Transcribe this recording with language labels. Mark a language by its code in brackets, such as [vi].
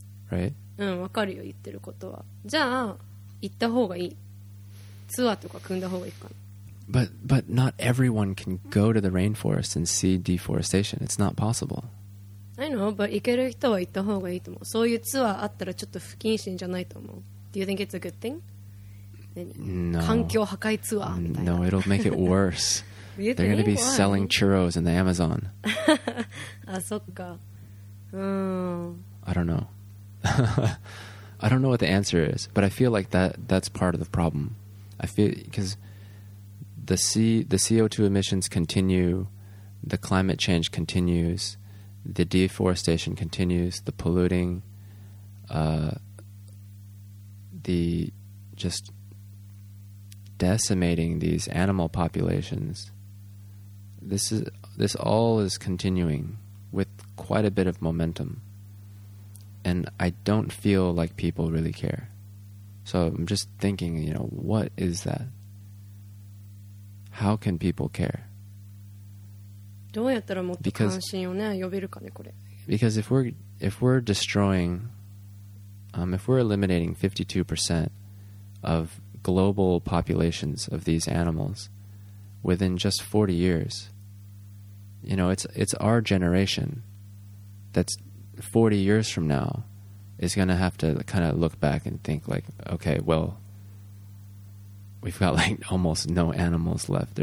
[en] But not everyone can go to the rainforest and see deforestation. It's not possible. I know, but [ja] 行ける人は行った方がいいと思う。そういうツアーあったらちょっと不謹慎じゃないと思う。 [en] Do you think it's a good thing? No. [ja] 環境破壊ツアーみたいな。 [en] No, it'll make it worse. They're going to be selling churros in the Amazon. [ja] あ、そっか。 [en] I don't know. I don't know what the answer is, but I feel like that's part of the problem. I feel, because the CO2 emissions continue, the climate change continues, the deforestation continues, the polluting, the just decimating these animal populations. This all is continuing with quite a bit of momentum. And I don't feel like people really care. So I'm just thinking, you know, what is that? How can people care? [ja] どうやったらもっと関心をね、呼べるかね、これ。 [en] Because if we're destroying, if we're eliminating 52% of global populations of these animals within just 40 years, you know, it's our generation that's 40 years from now is going to have to kind of look back and think like, okay, well, we've got like almost no animals left.